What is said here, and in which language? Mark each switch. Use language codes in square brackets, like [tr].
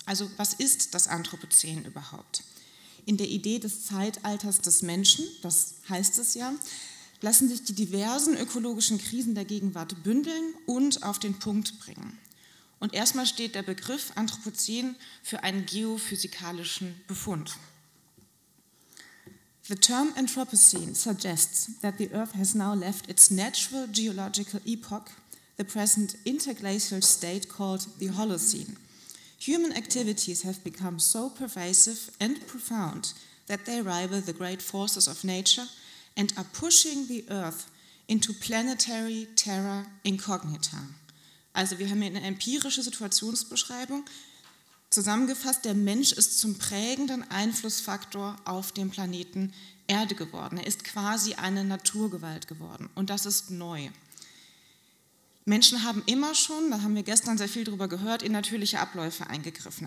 [de] Also was ist das Anthropozän überhaupt? In der Idee des Zeitalters des Menschen, das heißt es ja, lassen sich die diversen ökologischen Krisen der Gegenwart bündeln und auf den Punkt bringen. Und erstmal steht der Begriff Anthropozän für einen geophysikalischen Befund. [en] The term Anthropocene suggests that the Earth has now left its natural geological epoch, the present interglacial state called the Holocene. Human activities have become so pervasive and profound that they rival the great forces of nature and are pushing the Earth into planetary terra incognita. [de] Also wir haben hier eine empirische Situationsbeschreibung. Zusammengefasst, der Mensch ist zum prägenden Einflussfaktor auf dem Planeten Erde geworden. Er ist quasi eine Naturgewalt geworden und das ist neu. Menschen haben immer schon, da haben wir gestern sehr viel drüber gehört, in natürliche Abläufe eingegriffen.